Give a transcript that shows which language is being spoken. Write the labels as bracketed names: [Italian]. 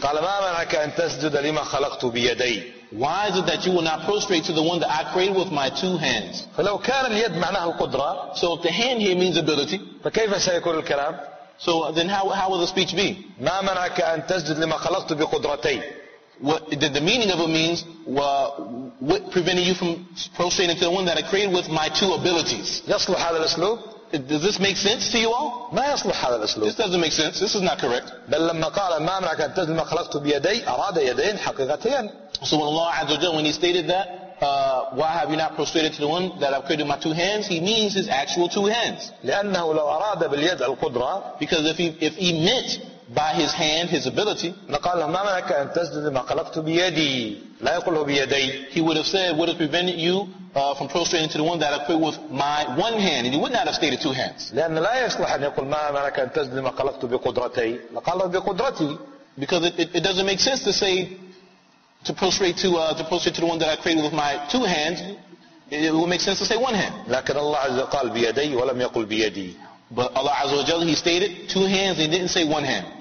[Arabic] قال ما منعك أن تسجد لما خلقت بيدي. [English] Why is it that you will not prostrate to the one that I created with my two hands? [Arabic] فلو كان اليد معناه قدرة. [English] So if the hand here means ability. [Arabic] فكيف سيكون الكلام? [English] So then how will the speech be? [Arabic] ما منعك أن تسجد لما خلقت بقدرتي. [English] The meaning of it means what prevented you from prostrating to the one that I created with my two abilities. [Arabic] يصلح هذا الأسلوب? [English] Does this make sense to you all? [Arabic] ما يصلح هذا الأسلوب? [English] This doesn't make sense. This is not correct. [Arabic] بل لما قال ما منعك أن تسجد لما خلقت بيدي أراد يدين حقيقتين. [English] So when Allah عز وجل, when he stated that, why have you not prostrated to the one that I've created with my two hands? He means his actual two hands. [Arabic] لأنه لو أراد باليد القدرة. [English] Because if he meant by his hand his ability. [Arabic] لقال له ما منعك أن تسجد لما خلقت بيدي. لا يقول له بيدي. [English] He would have said, what has prevented you from prostrating to the one that I created with my one hand? And he would not have stated two hands. [Arabic] لأن لا يصلح أن يقول ما منعك أن تسجد لما خلقت بقدرتي. لقال له بقدرتي. [English] Because it doesn't make sense to say. To prostrate to the one that I created with my two hands, it will make sense to say one hand. [Arabic] لكن الله عز وجل بيدي ولم يقل بيدي. [English] But Allah عز وجل, He stated two hands, He didn't say one hand.